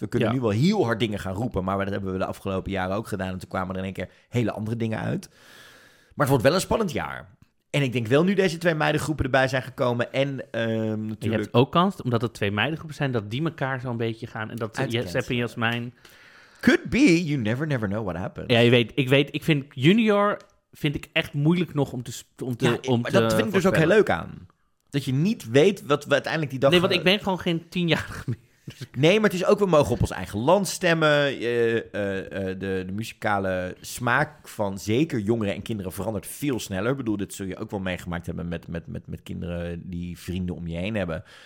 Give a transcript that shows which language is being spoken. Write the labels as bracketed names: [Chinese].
[Dutch] We kunnen nu wel heel hard dingen gaan roepen, maar dat hebben we de afgelopen jaren ook gedaan. En toen kwamen er in één keer hele andere dingen uit. Maar het wordt wel een spannend jaar. En ik denk wel nu deze 2 meidengroepen erbij zijn gekomen en natuurlijk, je hebt ook kans, omdat het 2 meidengroepen zijn, dat die elkaar zo'n beetje gaan en dat Sepp en Jasmijn. [English] Could be, you never never know what happens. [Dutch] Ja, je weet, ik vind junior, vind ik echt moeilijk nog om te ja, om maar te dat vind ik dus ook heel leuk aan. Dat je niet weet wat we uiteindelijk die dag. Nee, want ik ben gewoon geen 10-jarige meer. Dus Nee, maar het is ook, we mogen op ons eigen land stemmen. De muzikale smaak van zeker jongeren en kinderen verandert veel sneller. Ik bedoel, dit zul je ook wel meegemaakt hebben met kinderen die vrienden om je heen hebben.